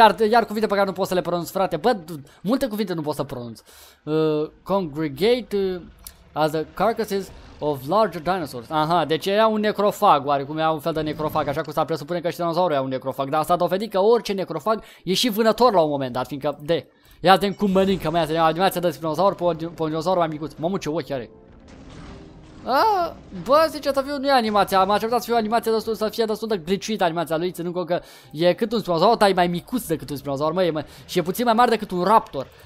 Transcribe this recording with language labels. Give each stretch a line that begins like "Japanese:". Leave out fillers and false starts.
Romanian: Iar cuvinte pe care nu pot să le pronunț, frate. Bă, multe cuvinte nu pot să pronunț.
English: Congregate as the carcasses of larger dinosaurs.
Romanian: Aha, deci era un necrofag, oarecum era un fel de necrofag, așa cum s-ar presupune că și dinozaurul era un necrofag. Dar asta a dovedit că orice necrofag e și vânător la un moment dat, fiindcă, de. Ia de cum mănâncă, mai azi, dimineața dă-ți dinozaur pe un dinozaur mai micuț. Mamă, ce ochi are. Bă, zice, să fiu, nu e animația, am acceptat să fie o animație destul, să fie destul de glitchuit animația lui, ținând cont că e cât un spinozaur, dar e mai micuț decât un spinozaur, măi, mă, și e puțin mai mare decât un raptor.